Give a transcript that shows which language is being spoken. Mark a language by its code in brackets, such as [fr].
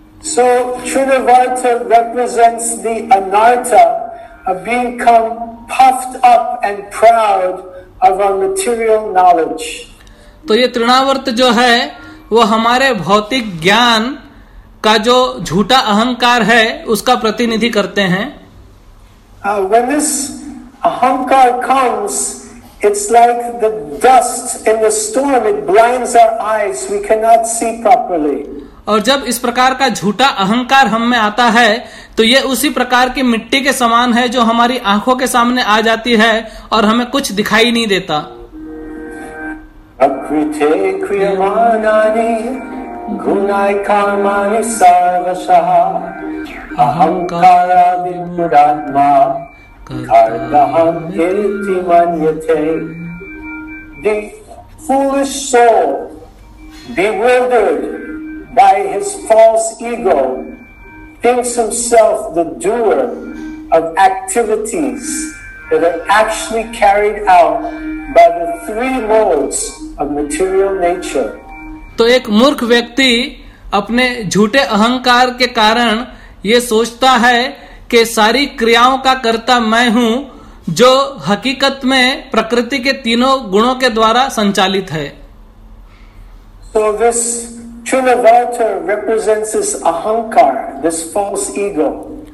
[en] So Trinavarta represents the anartha of being puffed up and proud of our material knowledge. [hi] तो ये त्रिणावर्त जो है वो हमारे भौतिक ज्ञान का जो झूठा अहंकार है उसका प्रतिनिधि करते हैं. [en] When this अहंकार comes, it's like the dust in the storm. It blinds our eyes. We cannot see properly. [hi] और जब इस प्रकार का झूठा अहंकार हम में आता है तो ये उसी प्रकार की मिट्टी के समान है जो हमारी आंखों के सामने आ जाती है और हमें कुछ दिखाई नहीं देता. [sa] अकृते क्रियमानानि गुणाय कर्माणि सर्वशः अहंकारादि मूढात्मा [en] The foolish soul, bewildered by his false ego, thinks himself the doer of activities that are actually carried out by the three modes of material nature. [hi] तो एक मूर्ख व्यक्ति अपने झूठे अहंकार के कारण ये सोचता है के सारी क्रियाओं का कर्ता मैं हूं जो हकीकत में प्रकृति के तीनों गुणों के द्वारा संचालित है. [en] So this Trinavarta represents this ahankar, this false ego.